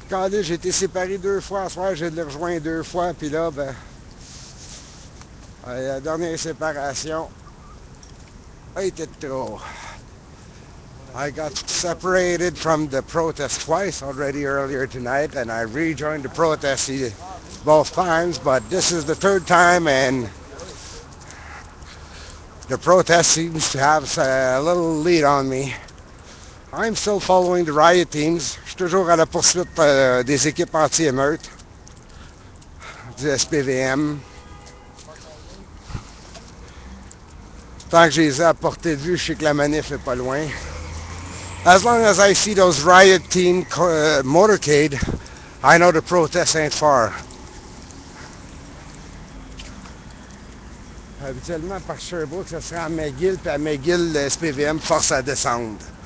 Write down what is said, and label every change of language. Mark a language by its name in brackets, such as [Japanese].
[French] J'ai été séparé deux fois ce soir, j'ai les rejoint deux fois, puis là, ben, la dernière séparation a été trop. [English] I got separated from the protest twice already earlier tonight, and I rejoined the protest both times, but this is the third time, and the protest seems to have a little lead on me. I'm still following the riot teams. [French] Je suis toujours à la poursuite des équipes anti-émeutes du SPVM. Tant que je les ai à portée de vue, je sais que la manif est pas loin. [English] As long as I see those riot team motorcade, I know the protests ain't far. [French] Habituellement, par Sherbrooke, ça serait à McGill, puis à McGill, le SPVM force à descendre.